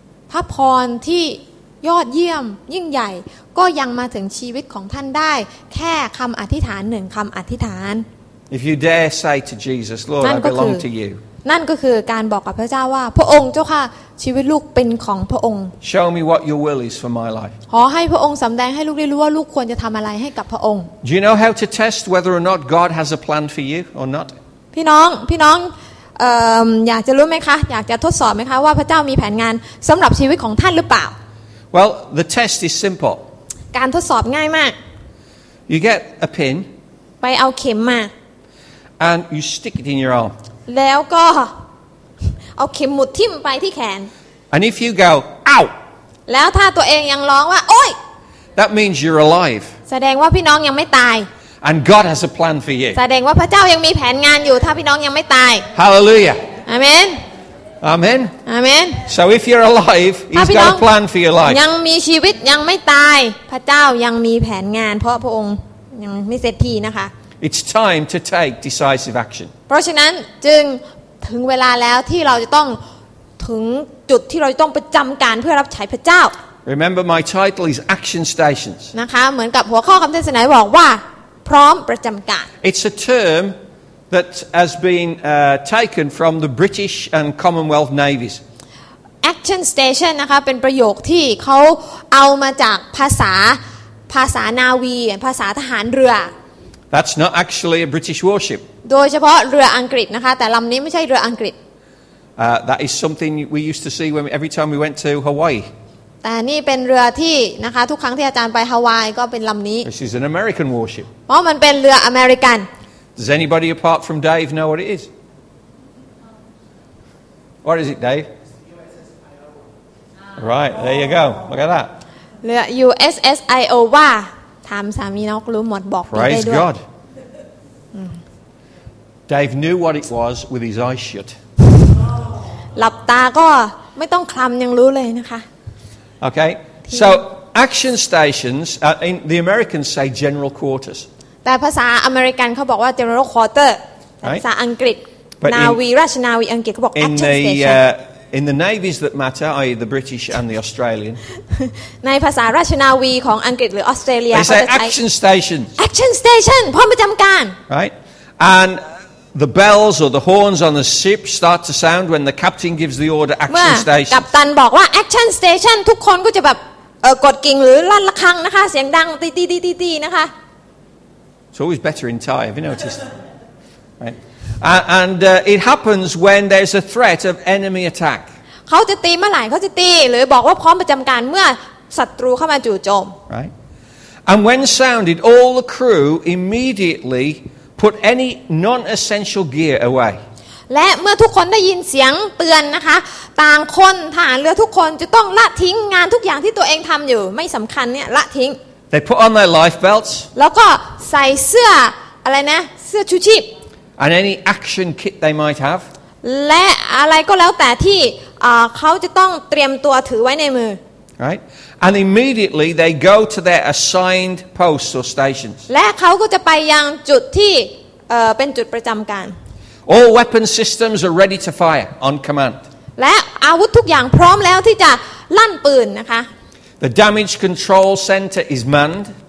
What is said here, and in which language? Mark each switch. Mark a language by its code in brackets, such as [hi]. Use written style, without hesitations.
[th] พระพรที่ยอดเยี่ยมยิ่งใหญ่ก็ยังมาถึงชีวิตของท่านได้แค่คำอธิษฐานหนึ่งคำอธิษฐาน [en] If you dare say to Jesus, Lord, I belong to you. [th] นั่นก็คือการบอกกับพระเจ้าว่าพระองค์เจ้าค่ะชีวิตลูกเป็นของพระองค์ [en] Show me what your will is for my life. [th] ขอให้พระองค์สำแดงให้ลูกได้รู้ว่าลูกควรจะทำอะไรให้กับพระองค์ [en] Do you know how to test whether or not God has a plan for you or not? [th] พี่น้องอยากจะรู้ไหมคะอยากจะทดสอบไหมคะว่าพระเจ้ามีแผนงานสำหรับชีวิตของท่านหรือเปล่า [en] Well, the test is simple. [th] การทดสอบง่ายมาก [en] You get a pin. [th] ไปเอาเข็มมา [en] And you stick it in your arm. [th] แล้วก็เอาเข็มหมุดทิ่มไปที่แขน [en] And if you go ow [th] แล้วถ้าตัวเองยังร้องว่าโอ๊ย [en] That means you're alive [th] แสดงว่าพี่น้องยังไม่ตาย [en] And God has a plan for you [th] แสดงว่าพระเจ้ายังมีแผนงานอยู่ถ้าพี่น้องยังไม่ตาย [en] Hallelujah Amen Amen Amen So if you're alive He's got a plan for your life [th] ยังมีชีวิตยังไม่ตายพระเจ้ายังมีแผนงานเพราะพระองค์ยังไม่เสร็จทีนะคะ [en] It's time to take decisive action. [th] เพราะฉะนั้นจึงถึงเวลาแล้วที่เราจะต้องถึงจุดที่เราต้องประจำการเพื่อรับใช้พระเจ้า [en] Remember my title is Action Stations. [th] นะคะเหมือนกับหัวข้อคำเทศนาบอกว่าพร้อมประจำการ [en] It's a term that has been taken from the British and Commonwealth navies. [th] Action Station นะคะเป็นประโยคที่เขาเอามาจากภาษานาวีภาษาทหารเรือ [en] That's not actually a British warship. [th] โดยเฉพาะเรืออังกฤษนะคะแต่ลำนี้ไม่ใช่เรืออังกฤษ [en] That is something we used to see every time we went to Hawaii. [th] แต่นี่เป็นเรือที่นะคะทุกครั้งที่อาจารย์ไปฮาวายก็เป็นลำนี้ [en] This is an American warship. [th] เพราะมันเป็นเรืออเมริกัน [en] Does anybody apart from Dave know what it is? What is it, Dave? Right, there you go. Look at that. [th] เรือ USS Iowa. ถามสามีนอกรู้หมดบอกไปได้ด้วย [en] God. Dave knew what it was with his eyes shut. [th] หลับตาก็ไม่ต้องคลำยังรู้เลยนะคะ [en] Okay. So action stations in the Americans say general quarters. [th] แต่ภาษาอเมริกันเขาบอกว่า general quarter. ภาษาอังกฤษนาวีราชนาวีอังกฤษเขาบอก action station. [en] In the navies that matter, i.e. the British and the Australian. [th] ในภาษาราชนาวีของอังกฤษหรือออสเตรเลียเขา จะใช้ action station. [en] Action station, พร้อมประจำการ Right, and the bells or the horns on the ship start to sound when the captain gives the order. Action station. [th] เมื่อกัปตันบอกว่า action station, ทุกคนก็จะแบบกดกิ่งหรือลั่นระฆังนะคะเสียงดังตีนะคะ [en] It's always better in Thai. Have you noticed? Right. And it happens when there's a threat of enemy attack. [th] เขาจะตีเมื่อไหร่เขาจะตีหรือบอกว่าพร้อมประจำการเมื่อศัตรูเข้ามาจู่โจม [en] Right. And when sounded, all the crew immediately put any non-essential gear away. [th] และเมื่อทุกคนได้ยินเสียงเตือนนะคะต่างคนทหารเรือทุกคนจะต้องละทิ้งงานทุกอย่างที่ตัวเองทำอยู่ไม่สำคัญเนี่ยละทิ้ง [en] They put on their life belts. [th] แล้วก็ใส่เสื้ออะไรนะเสื้อชูชีพ [en] And any action kit they might have. [th] และอะไรก็แล้วแต่ที่เขาจะต้องเตรียมตัวถือไว้ในมือ [en] Right. And immediately they go to their assigned posts or stations. [th] และเขาก็จะไปยังจุดที่เป็นจุดประจำการ [en] All weapon systems are ready to fire on command. [th] และอาวุธทุกอย่างพร้อมแล้วที่จะลั่นปืนนะคะ [en] The damage control center is manned.